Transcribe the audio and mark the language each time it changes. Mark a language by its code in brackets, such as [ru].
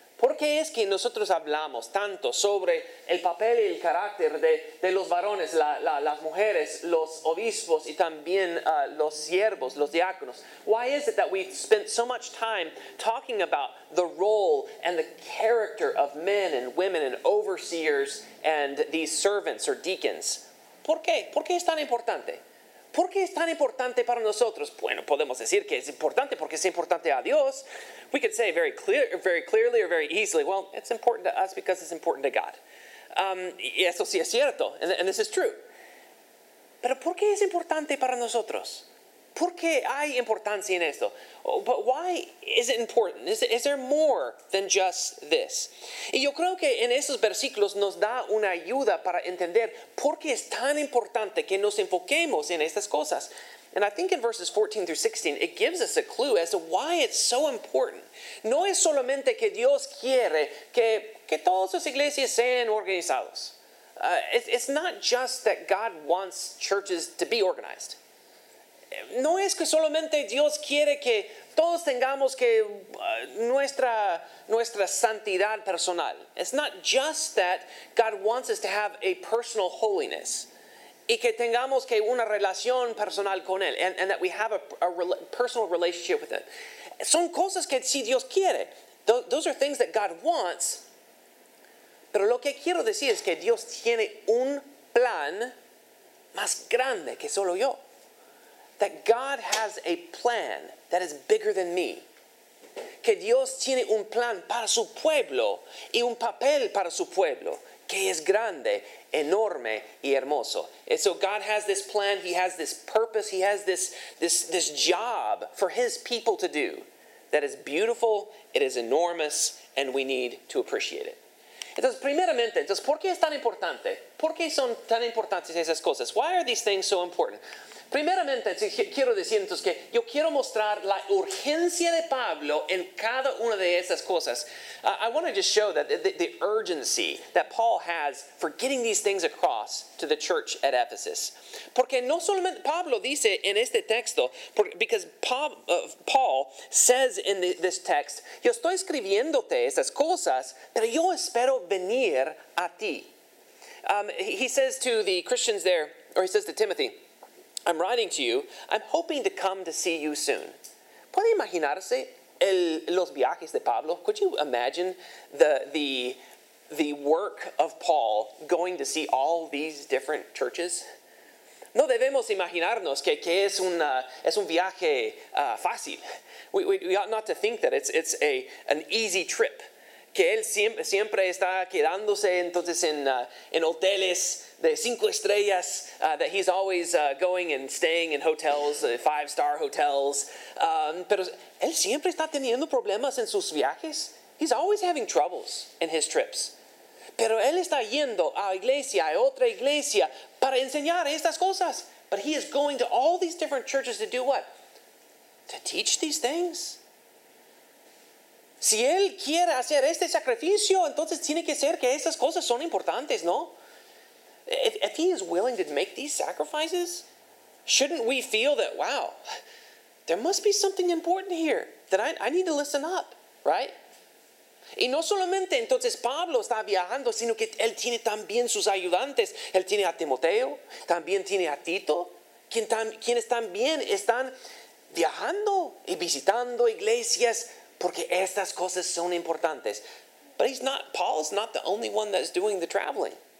[es] ¿Por qué es que nosotros hablamos tanto sobre el papel y el carácter de los varones, las mujeres, los obispos y también los siervos, los diáconos? [en] Why is it that we spent so much time talking about the role and the character of men and women and overseers and these servants or deacons? [es] ¿Por qué? ¿Por qué es tan importante? ¿Por qué es tan importante para nosotros? Bueno, podemos decir que es importante porque es importante a Dios. [en] We could say very clearly or very easily, well, it's important to us because it's important to God. [es] Y eso sí es cierto, [en] and this is true. [es] Pero ¿por qué es importante para nosotros? ¿Por qué hay importancia en esto? [en] But why is it important? Is there more than just this? [es] Y yo creo que en estos versículos nos da una ayuda para entender por qué es tan importante que nos enfoquemos en estas cosas. [en] And I think in verses 14 through 16, it gives us a clue as to why it's so important. [es] No es solamente que Dios quiere que todas sus iglesias sean organizadas. [en] It's not just that God wants churches to be organized. [es] No es que solamente Dios quiere que todos tengamos que nuestra santidad personal. [en] It's not just that God wants us to have a personal holiness [es] y que tengamos que una relación personal con Él, [en] and that we have a personal relationship with Him. [es] Son cosas que sí Dios quiere. [en] Those are things that God wants. [es] Pero lo que quiero decir es que Dios tiene un plan más grande que solo yo. [en] That God has a plan that is bigger than me. [es] Que Dios tiene un plan para su pueblo y un papel para su pueblo que es grande, enorme y hermoso. [en] And so God has this plan, He has this purpose, He has this job for His people to do that is beautiful, it is enormous, and we need to appreciate it. [es] Entonces, primeramente, entonces, ¿por qué es tan importante? ¿Por qué son tan importantes esas cosas? [en] Why are these things so important? [es] Primeramente, quiero decir entonces que yo quiero mostrar la urgencia de Pablo en cada una de esas cosas. [en] I want to just show that the urgency that Paul has for getting these things across to the church at Ephesus. [es] Porque no solamente Pablo dice en este texto, [en] because Paul says in this text, [es] yo estoy escribiéndote esas cosas, pero yo espero venir a ti. [en] He says to the Christians there, or he says to Timothy, I'm writing to you. I'm hoping to come to see you soon. [es] ¿Puede imaginarse los viajes de Pablo? [en] Could you imagine the work of Paul going to see all these different churches? [es] No debemos imaginarnos que es un viaje fácil. [en] We ought not to think that it's an easy trip. [es] Que él siempre está quedándose entonces en hoteles de cinco estrellas, [en] that he's always going and staying in hotels, five-star hotels. [es] Pero él siempre está teniendo problemas en sus viajes. [en] He's always having troubles in his trips. [es] Pero él está yendo a iglesia, a otra iglesia, para enseñar estas cosas. [en] But he is going to all these different churches to do what? To teach these things. [es] Si él quiere hacer este sacrificio, entonces tiene que ser que estas cosas son importantes, ¿no? [en] If he is willing to make these sacrifices, shouldn't we feel that, wow, there must be something important here that I need to listen up, right? [es] Y no solamente entonces Pablo está viajando, sino que él tiene también sus ayudantes. Él tiene a Timoteo, también tiene a Tito, quienes también están viajando y visitando iglesias, porque estas cosas son importantes. [en] But Paul's not the only one that's doing the traveling.